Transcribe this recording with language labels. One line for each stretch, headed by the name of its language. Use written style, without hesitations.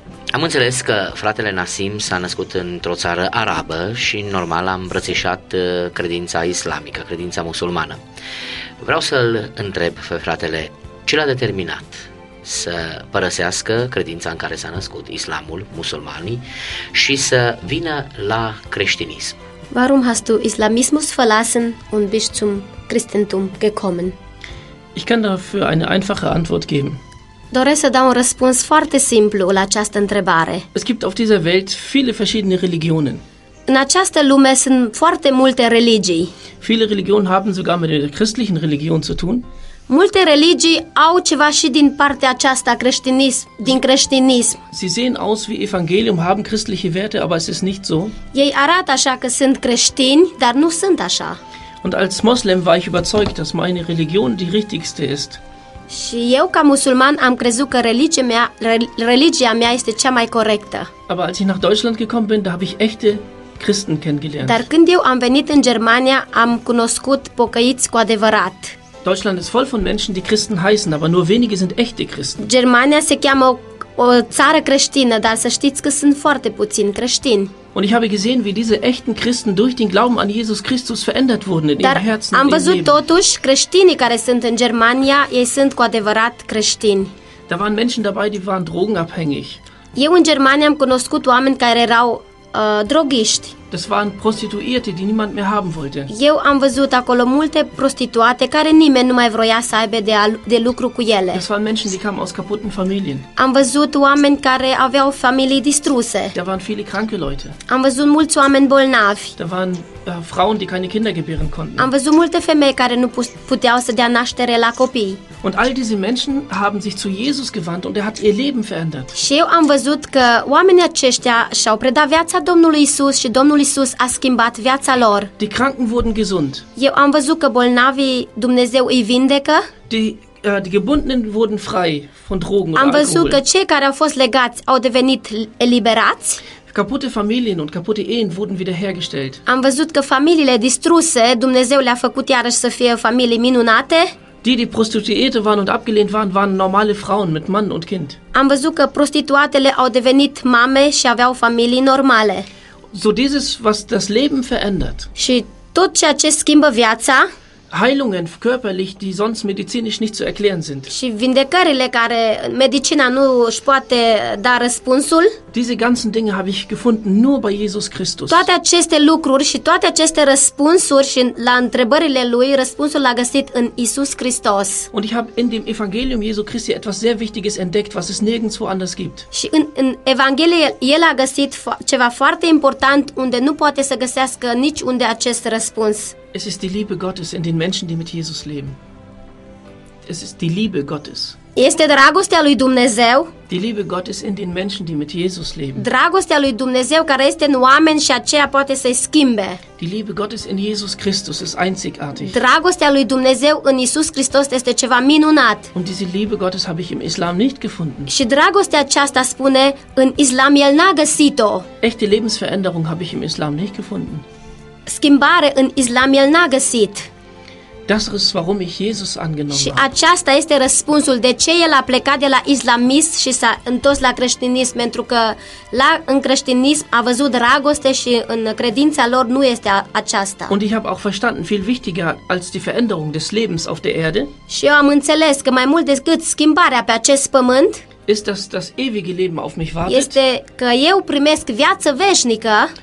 Romanian: Am înțeles că fratele Nassim s-a născut într-o țară arabă și normal a îmbrățișat credința islamică, credința musulmană. Vreau să-l întreb pe fratele, ce l-a determinat să părăsească credința în care s-a născut, islamul, musulmanii, și să vină la creștinism.
German: Warum hast du Islamismus verlassen und bist zum Christentum gekommen? Ich kann dafür eine einfache Antwort geben.
Romanian: Doresc să dau un răspuns foarte simplu la această întrebare.
German: Es gibt auf dieser Welt viele verschiedene Religionen.
Romanian: În această lume sunt foarte multe religii.
German: Viele Religionen haben sogar mit der christlichen Religion zu tun.
Romanian: Multe religii au ceva și din partea aceasta creștinism, din creștinism.
German: Sie sehen aus wie Evangelium, haben christliche Werte, aber es ist nicht so.
Romanian: Ei arată așa că sunt creștini, dar nu sunt așa.
German: Und als Moslem war ich überzeugt, dass meine Religion die richtigste ist.
Romanian: Și eu ca musulman am crezut că religia mea este cea mai corectă.
German: Aber als ich nach Deutschland gekommen bin, da habe ich echte Christen kennengelernt.
Romanian: Dar când eu am venit în Germania, am cunoscut pocăiți cu adevărat.
German: Deutschland ist voll von Menschen, die Christen heißen, aber nur wenige sind echte Christen.
Romanian: Germania se cheamă o țară creștină, dar să știți că sunt foarte puțini creștini.
German: Und ich habe gesehen, wie diese echten Christen durch den Glauben an Jesus Christus verändert wurden in ihren Herzen.
Romanian: Am văzut totuși creștinii care sunt în Germania, ei sunt cu adevărat creștini.
German: Da waren Menschen dabei, die waren drogenabhängig.
Romanian: Eu în Germania am cunoscut oameni care erau drogiști.
German: Das waren Prostituierte, die niemand mehr haben wollte.
Romanian: Eu am văzut acolo multe prostituate care nimeni nu mai vroia să aibă de lucru cu ele.
German: Das waren Menschen, die kamen aus kaputten Familien.
Romanian: Am văzut oameni care aveau familii distruse.
German: Da waren viele kranke Leute.
Romanian: Am văzut mulți oameni bolnavi.
German: Da waren Frauen, die keine Kinder gebären konnten.
Romanian: Am văzut multe femei care nu puteau să dea naștere la copii.
German: Und all diese Menschen haben sich zu Jesus gewandt und er hat ihr Leben verändert.
Romanian: Și eu am văzut că oamenii aceștia și-au predat viața Domnului Isus și Domnul Isus a schimbat viața lor.
German: Die Kranken wurden gesund.
Romanian: Eu am văzut că bolnavii Dumnezeu îi vindecă.
German: Die Gebundenen wurden frei von Drogen und Alkohol.
Romanian: Am văzut că cei care au fost legați au devenit eliberați.
German: Kaputte Familien und kaputte Ehen wurden wiederhergestellt.
Romanian: Am văzut că familiile distruse Dumnezeu le-a făcut iarăși să fie familii minunate.
German: Die Prostituierte waren und abgelehnt waren, waren normale Frauen mit Mann und Kind.
Romanian: Am văzut că prostituatele au devenit mame și aveau familii normale.
German: So dieses, was das Leben verändert.
Romanian: Și tot ceea ce schimbă viața.
German: Heilungen körperlich, die sonst medizinisch nicht zu erklären sind.
Romanian: Și vindecările care medicina nu își poate da răspunsul.
German: Diese ganzen Dinge habe ich gefunden nur bei Jesus Christus.
Romanian: Toate aceste lucruri și toate aceste răspunsuri și la întrebările lui, răspunsul l-a găsit în Isus Hristos.
German: Und ich habe in dem Evangelium Jesu Christi etwas sehr Wichtiges entdeckt, was es nirgendwo anders gibt.
Romanian: Și în Evanghelie el a găsit ceva foarte important unde nu poate să găsească niciunde acest răspuns.
German: Es ist die Liebe Gottes in den Menschen, die mit Jesus leben. Es ist die Liebe Gottes.
Romanian: Este dragostea lui Dumnezeu.
German: Die Liebe Gottes in den Menschen, die mit Jesus leben.
Romanian: Dragostea lui Dumnezeu care este în oameni și aceea poate să-i schimbe.
German: Die Liebe Gottes in Jesus Christus ist einzigartig.
Romanian: Dragostea lui Dumnezeu în Isus Hristos este ceva minunat.
German: Und diese Liebe Gottes habe ich im Islam nicht gefunden.
Romanian: Și dragostea aceasta spune în Islam el n-a găsit-o.
German: Echte Lebensveränderung habe ich im Islam nicht gefunden.
Romanian: Schimbare în Islam el n-a găsit.
German: Das ist warum ich Jesus angenommen habe.
Romanian: Și aceasta este răspunsul de ce el a plecat de la islamism și s-a întors la creștinism, pentru că în creștinism a văzut dragoste și în credința lor nu este aceasta.
German: Und ich habe auch verstanden, viel wichtiger als die Veränderung des Lebens auf der Erde.
Romanian: Și eu am înțeles că mai mult decât schimbarea pe acest pământ
German: ist das ewige Leben auf mich wartet.
Romanian: Este că eu primesc viață veșnică.